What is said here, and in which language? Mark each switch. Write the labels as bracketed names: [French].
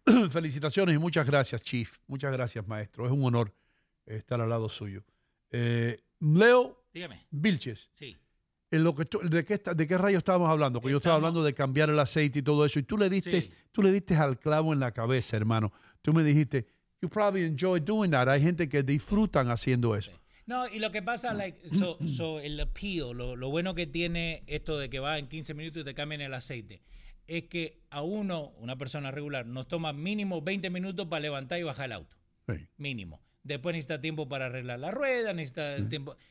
[Spanish] Felicitaciones y muchas gracias, Chief. Muchas gracias, maestro. Es un honor estar al lado suyo. Leo. Dígame. Vilches. Sí. En lo que ¿de qué rayos estábamos hablando? Porque yo estaba hablando de cambiar el aceite y todo eso. Y tú le diste, tú le diste al clavo en la cabeza, hermano. Tú me dijiste, [English] you probably enjoy doing that. [Spanish] Hay gente que disfrutan haciendo eso. Sí. No, y lo que pasa, like, so el appeal, lo bueno que tiene esto de que va en 15 minutos y te cambian el aceite, es que a uno, una persona regular, nos toma mínimo 20 minutos para levantar y bajar el auto. Sí. Mínimo. Después necesita tiempo para arreglar la rueda, necesita tiempo.